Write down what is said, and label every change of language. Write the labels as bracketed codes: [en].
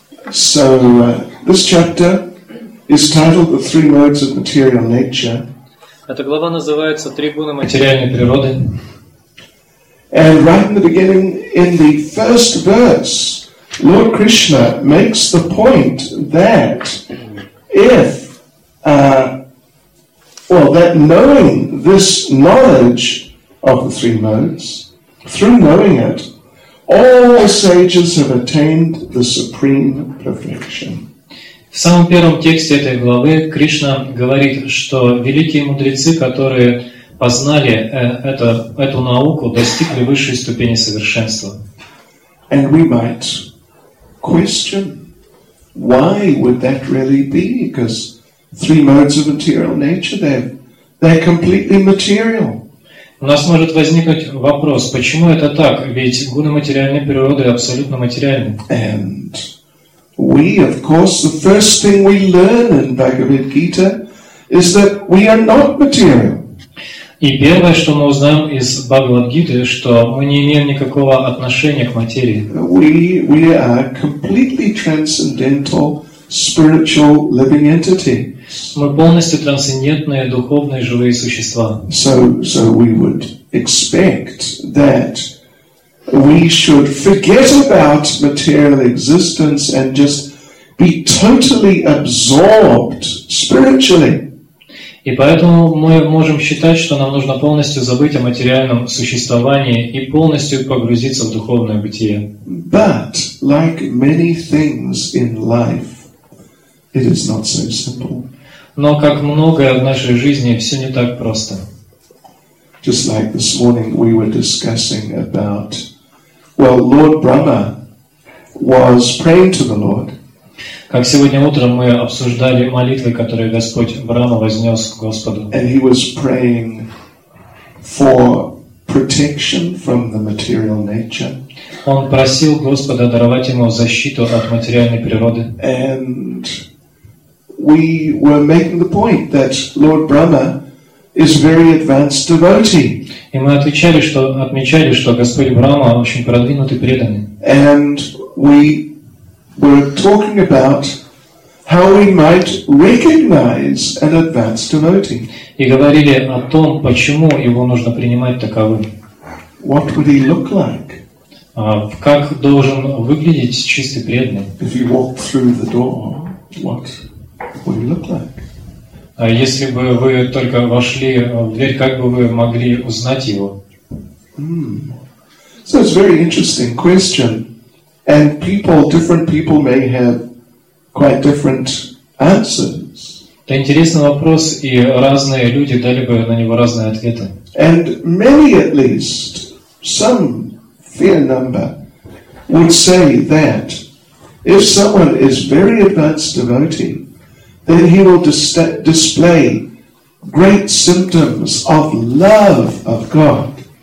[en] So, this chapter is titled The Three Modes of Material Nature. [ru] Эта глава называется «Три гуны материальной природы». [en] And right in the beginning, in the first verse, Lord Krishna makes the point that if, that knowing this knowledge of the three modes, through knowing it, all the sages have attained the supreme perfection. [ru] В самом первом тексте этой главы Кришна говорит, что великие мудрецы, которые познали эту науку, достигли высшей ступени совершенства. [en] And we might question, why would that really be? Because three modes of material nature, they're completely material. [ru] У нас может возникнуть вопрос, почему это так? Ведь гуны материальной природы абсолютно материальны. [en] And we, of course, the first thing we learn in Bhagavad Gita is that we are not material. [ru] И первое, что мы узнаем из Бхагавад-гиты, что мы не имеем никакого отношения к материи. [en] We are completely transcendental spiritual living entities. [ru] Мы полностью трансцендентные духовные живые существа. [en] So we would expect that we should forget about material existence and just be totally absorbed spiritually. [ru] И поэтому мы можем считать, что нам нужно полностью забыть о материальном существовании и полностью погрузиться в духовное бытие. [en] But, like many things in life, it is not so simple. [ru] Но как многое в нашей жизни, все не так просто. [en] Just like this morning we were discussing about, well, Lord Brahma was praying to the Lord. [ru] Как сегодня утром мы обсуждали молитвы, которые Господь Брама вознес к Господу. [en] And he was praying for protection from the material nature. [ru] Он просил Господа даровать ему защиту от материальной природы. [en] And we were making the point that Lord Brahma is very advanced devotee. [ru] И мы отмечали, что Господь Брама очень продвинутый преданный. [en] And we're talking about how we might recognize an advanced devotee. [ru] И говорили о том, почему его нужно принимать таковым. [en] What would he look like? [ru] Как должен выглядеть чистый преданный? [en] If he walked through the door, what would he look like? [ru] А если бы вы только вошли в дверь, как бы вы могли узнать его? [en] So it's a very interesting question. And different people may have quite different answers. [ru] Это интересный вопрос, и разные люди дали бы на него разные ответы. [en] And many at least, some fair number, would say that if someone is very advanced devotee, then he will display great symptoms of love of God.